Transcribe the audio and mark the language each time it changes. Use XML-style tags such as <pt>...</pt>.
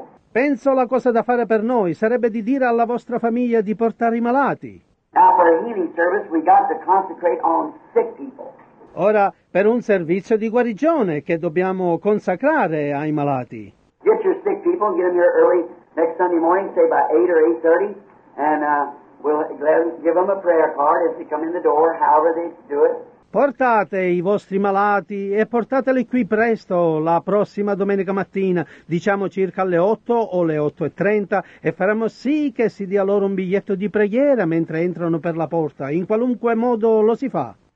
<it>Penso la cosa da fare per noi sarebbe di dire alla vostra famiglia di portare i malati.</it> <en>Now for a healing service, we got to consecrate on sick people.</en> <it>Ora, per un servizio di guarigione che dobbiamo consacrare ai malati.</it> <en>Get your sick people and get them here early next Sunday morning, say by 8 or 8:30, and we'll give them a prayer card as they come in the door, however they do it.</en> <it>Portate i vostri malati e portateli qui presto la prossima domenica mattina, diciamo circa alle 8 o le 8:30, e faremo sì che si dia loro un biglietto di preghiera mentre entrano per la porta, in qualunque modo lo si fa.</it>